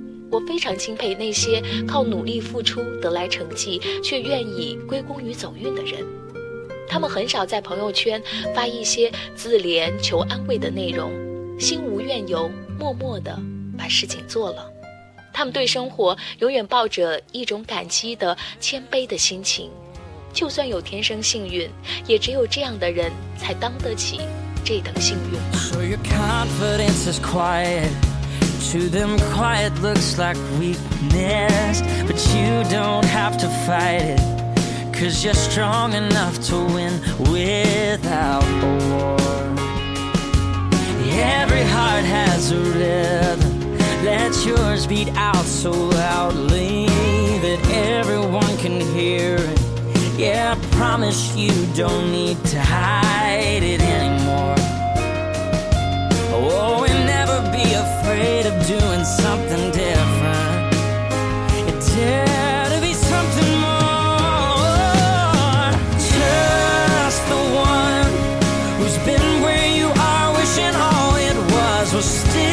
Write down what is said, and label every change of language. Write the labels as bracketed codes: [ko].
[zh] 我非常钦佩那些靠努力付出得来成绩却愿意归功于走运的人，他们很少在朋友圈发一些自怜求安慰的内容，心无怨尤，默默地把事情做了。他们对生活永远抱着一种感激的谦卑的心情，就算有天生幸运，也只有这样的人才当得起这等幸运吧。 [en] So your confidence is quiet. To them quiet looks like weakness. But you don't have to fight it, cause you're strong enough to win without a war. Every heart has a rhythm, let yours beat out so loudly that everyone can hear it. Yeah, I promise you don't need to hide it anymore. Oh, and never be afraid of doing something different. It's